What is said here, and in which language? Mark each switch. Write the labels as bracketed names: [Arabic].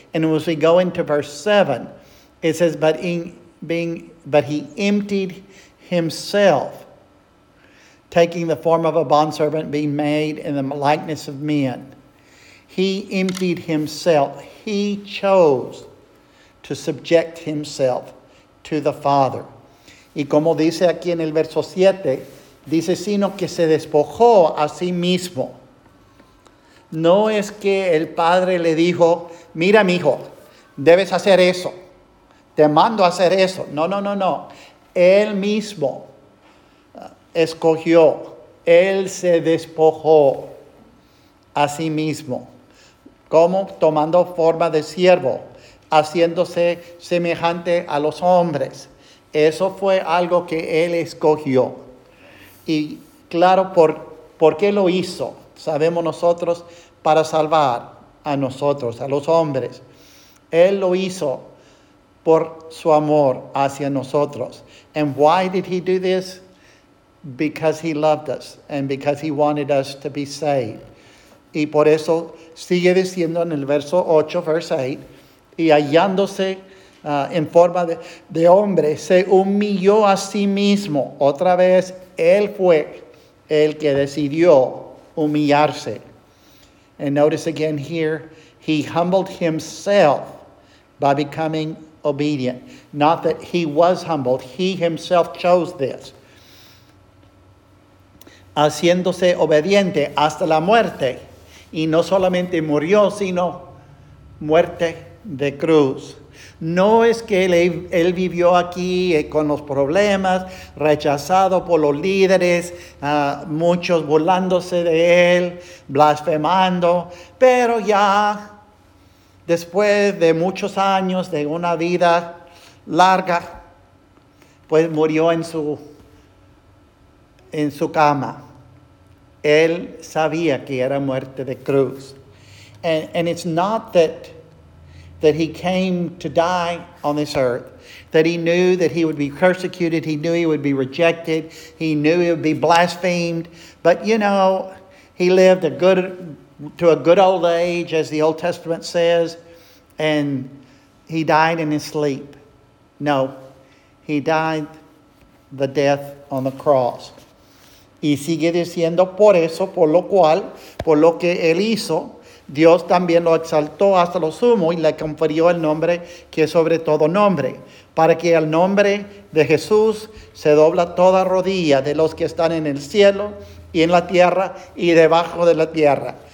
[English] And as we go into verse 7, it says, but he emptied himself, taking the form of a bondservant, being made in the likeness of men. He emptied himself. He chose to subject himself to the Father. [Spanish] Y como dice aquí en el verso 7, dice, sino que se despojó a sí mismo. No es que el Padre le dijo, mira, mijo, debes hacer eso. Te mando a hacer eso. No. Él mismo escogió, Él se despojó a sí mismo, como tomando forma de siervo, haciéndose semejante a los hombres. Eso fue algo que Él escogió. Y claro, ¿por qué lo hizo? Sabemos nosotros, para salvar a nosotros, a los hombres. Él lo hizo por su amor hacia nosotros. [English] And why did he do this? Because he loved us and because he wanted us to be saved. [Spanish] Y por eso sigue diciendo en el verso 8, [English] verse 8, [Spanish] y hallándose en forma de hombre, se humilló a sí mismo. Otra vez, él fue el que decidió humillarse. [English] And notice again here, he humbled himself by becoming obedient. Not that he was humbled, he himself chose this. [Spanish] Haciéndose obediente hasta la muerte. Y no solamente murió, sino muerte de cruz. No es que él vivió aquí con los problemas, rechazado por los líderes, muchos burlándose de él, blasfemando. Pero ya después de muchos años, de una vida larga, pues murió en su cama. Él sabía que era muerte de cruz. [English] And it's not that he came to die on this earth, that he knew that he would be persecuted, he knew he would be rejected, he knew he would be blasphemed. But, you know, he lived to a good old age, as the Old Testament says, and he died in his sleep. No, he died the death on the cross. [Spanish] Y sigue diciendo, por eso, por lo cual, por lo que él hizo, Dios también lo exaltó hasta lo sumo y le confirió el nombre que es sobre todo nombre, para que al nombre de Jesús se dobla toda rodilla de los que están en el cielo y en la tierra y debajo de la tierra.